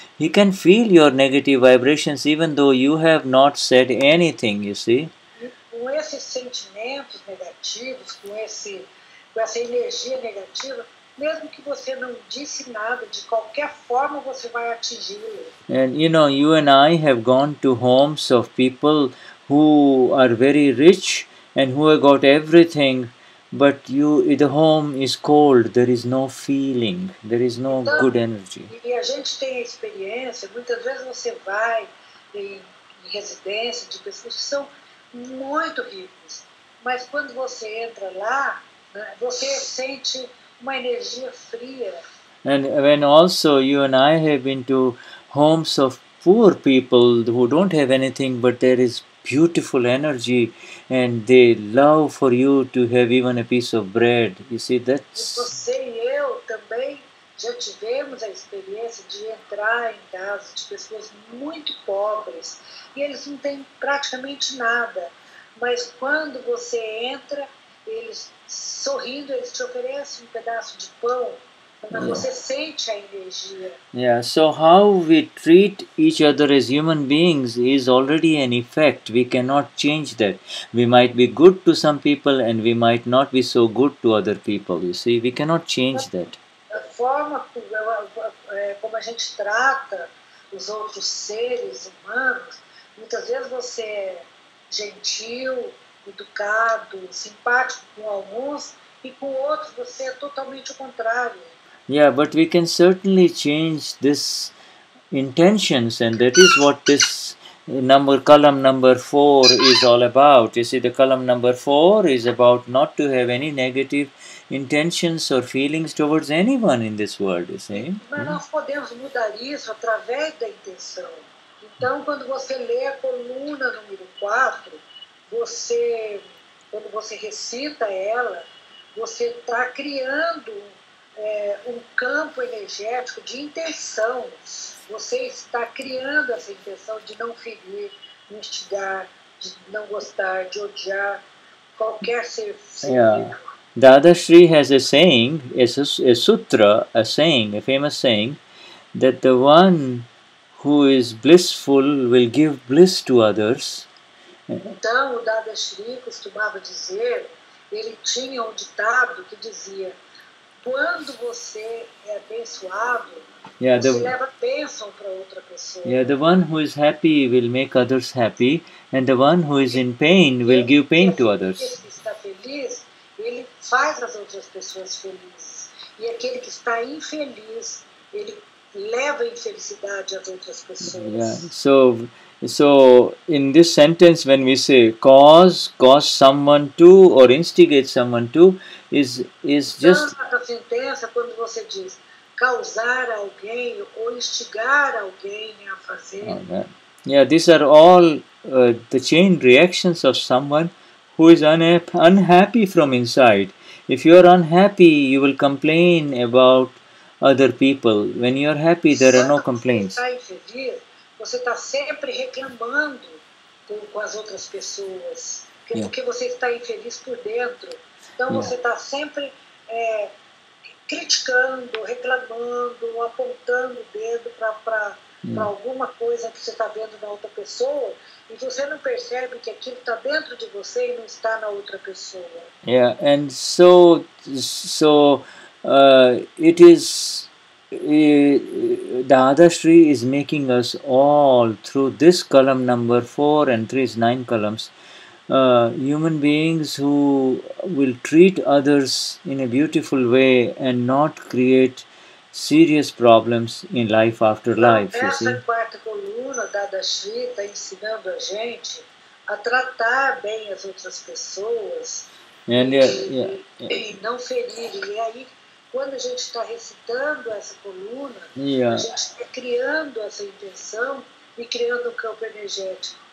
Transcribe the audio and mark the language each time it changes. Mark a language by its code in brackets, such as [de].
[en] He can feel your negative vibrations even though you have not said anything, you see. [pt] Com esses sentimentos negativos, com essa energia negativa, mesmo que você não disse nada, de qualquer forma você vai atingi-lo. [en] And you know, you and I have gone to homes of people who are very rich and who have got everything, but the home is cold, there is no feeling, there is no [pt] então, [en] good energy. [pt] E a gente tem a experiência, muitas vezes você vai em residência de pessoas que são muito ricas, mas quando você entra lá, né, você sente uma energia fria. [en] And when also you and I have been to homes of poor people who don't have anything, but there is beautiful energy, and they love for you to have even a piece of bread. You see, that's. [pt] Você e eu também já tivemos a experiência de entrar em casa de pessoas muito pobres e eles não têm praticamente nada, mas quando você entra, eles sorrindo, eles te oferecem um pedaço de pão. [en] Yeah, so how we treat each other as human beings is already an effect. We cannot change that. We might be good to some people and we might not be so good to other people. You see, we cannot change that. [pt] A forma como a gente trata os outros seres humanos, muitas vezes você é gentil, educado, simpático com alguns e com outros você é totalmente o contrário. [en] Yeah, but we can certainly change this intentions, and that is what this column number four is all about. You see, the column number four is about not to have any negative intentions or feelings towards anyone in this world, you see. [pt] Mas nós podemos mudar isso através da intenção. Então, quando você lê a coluna número 4, quando você recita ela, você está criando um campo energético de intenção. Você está criando essa intenção de não ferir, instigar, de não gostar, de odiar qualquer ser vivo. [en] Yeah. Dadashri has a saying, a famous saying, that the one who is blissful will give bliss to others. [pt] Então, o Dadashri costumava dizer, ele tinha um ditado que dizia, quando você é abençoado, você leva bênção para outra pessoa. [en] Yeah, the one who is happy will make others happy, and the one who is in pain will give pain to others. [pt] Aquele que está feliz, ele faz as outras pessoas felizes. E aquele que está infeliz, ele leva infelicidade às outras pessoas. [en] Yeah, so in this sentence, when we say cause someone to or instigate someone to, is just [pt] a sentença quando você diz causar alguém ou instigar alguém a fazer. [en] Yeah, these are all the chain reactions of someone who is unhappy from inside. If you are unhappy, you will complain about other people. When you are happy, there are no complaints. [pt] Você está sempre reclamando com as outras pessoas, porque você está infeliz por dentro. Então você está sempre criticando, reclamando, apontando o dedo para alguma coisa que você está vendo na outra pessoa, e você não percebe que aquilo está dentro de você e não está na outra pessoa. [en] Yeah, and so it is. Dadashri is making us all through this column number 4 and 3 is 9 columns human beings who will treat others in a beautiful way and not create serious problems in life after life, you see. [pt] Essa quarta coluna da Dashri está ensinando a gente a tratar bem as outras pessoas e não ferir. E aí, quando a gente está recitando essa coluna, a gente está criando essa intenção e criando um campo energético.